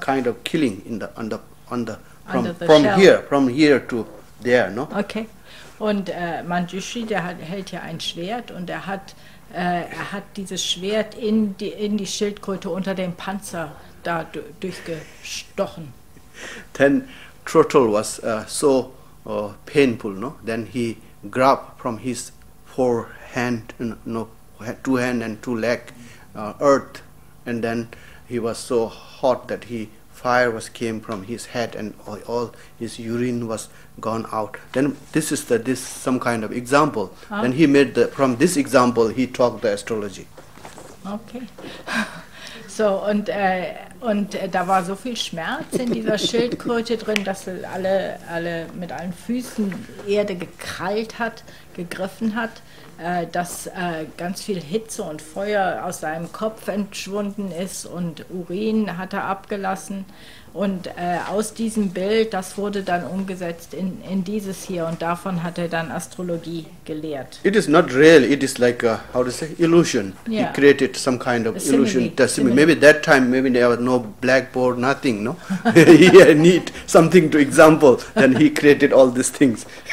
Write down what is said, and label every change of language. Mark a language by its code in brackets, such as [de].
[en] Kind of killing in the on the from the from shell. Here from here to there, no? Okay. [de] Und Manjushri, hält ja ein Schwert und er hat dieses Schwert in die Schildkröte unter dem Panzer da durchgestochen. [en] Then turtle was so painful, no? Then he grab from his four hand, no, two hand and two leg, earth, and then he was so hot that he fire was came from his head and all his urine was gone out. Then this is this some kind of example. Ah. Then he made from this example he talked the astrology. Okay. [de] So und da war so viel Schmerz in dieser Schildkröte drin, dass er alle mit allen Füßen Erde gekrallt hat, gegriffen hat, dass ganz viel Hitze und Feuer aus seinem Kopf entschwunden ist und Urin hat er abgelassen. Und aus diesem Bild, das wurde dann umgesetzt in dieses hier und davon hat er dann Astrologie gelehrt. [en] It is not real, it is like, how to say, illusion. Yeah. He created some kind of illusion. Maybe that time, maybe there was no blackboard, nothing, no? He need something to example, then he created all these things.